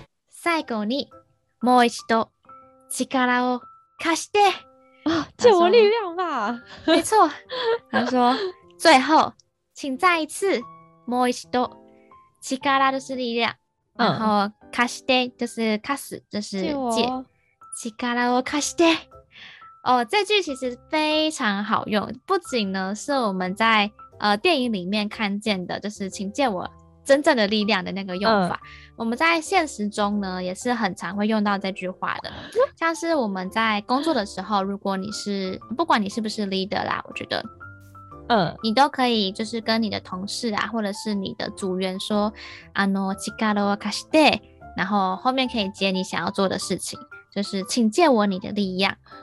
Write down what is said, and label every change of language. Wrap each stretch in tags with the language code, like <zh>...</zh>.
<ja>最後にもう一度力を貸して、</ja> <zh>啊、借我力量吧。没错，他说最后请再一次</zh> <ja>もう一度力</ja> <zh>就是力量、嗯、然后貸して就是貸す就是借力を貸して。哦，这句其实非常好用，不仅呢是我们在电影里面看见的，就是请借我真正的力量的那个用法。我们在现实中呢也是很常会用到这句话的，像是我们在工作的时候，如果你是不管你是不是 leader 啦，我觉得，你都可以就是跟你的同事啊，或者是你的组员说，</zh> <ja>あの力を貸して，</ja> <zh>然后后面可以接你想要做的事情，就是请借我你的力量。</zh>